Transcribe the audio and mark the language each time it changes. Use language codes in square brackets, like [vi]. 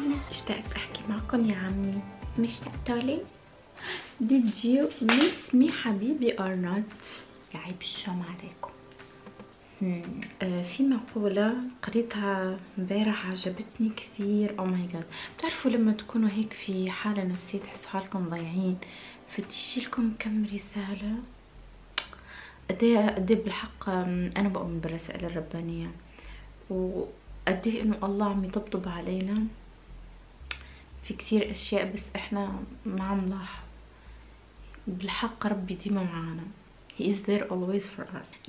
[ar] اشتقت احكي معكم يا عمي، مشتقت لي. [en] Did you miss me حبيبي or not؟ يعيب الشام عليكم. [ar] في مقولة قريتها مبارح عجبتني كثير. Oh my god، بتعرفوا لما تكونوا هيك في حالة نفسية تحسوا حالكم ضايعين، فتشي لكم كم رسالة، قدي بالحق انا بؤمن بالرسائل الربانية، وقدي انه الله عم يطبطب علينا في كثير اشياء بس احنا ما عم نلاحظ. بالحق ربي ديما معانا، he is there always for us.